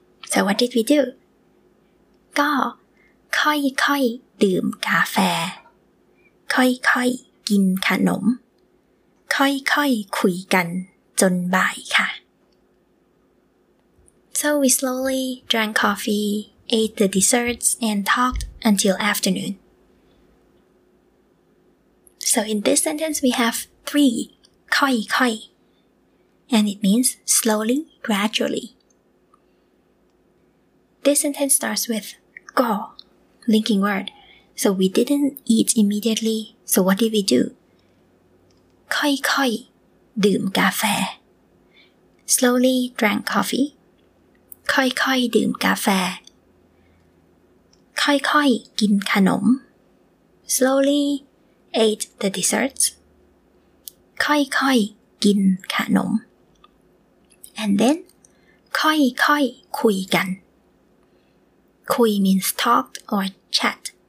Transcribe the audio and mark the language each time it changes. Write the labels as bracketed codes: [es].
[en] so what did we do [th] ก็ค่อยๆดื่มกาแฟค่อยๆกินขนมค่อยๆคุยกันจนบ่ายค่ะ [en] So we slowly drank coffee, ate the desserts, and talked until afternoon. So in this sentence, we have three ค่อยค่อย and it means slowly, gradually. This sentence starts with ก่ linking word. So we didn't eat immediately. So what did we do? [th] ค่อยค่อยดื่มกาแฟ [en] slowly drank coffee [th] ค่อยๆดื่มกาแฟค่อยๆกินขนม [en] slowly ate the desserts [th] ค่อยๆกินขนม [en] and then [th] ค่อยๆคุยกันคุย [en] means talk or chat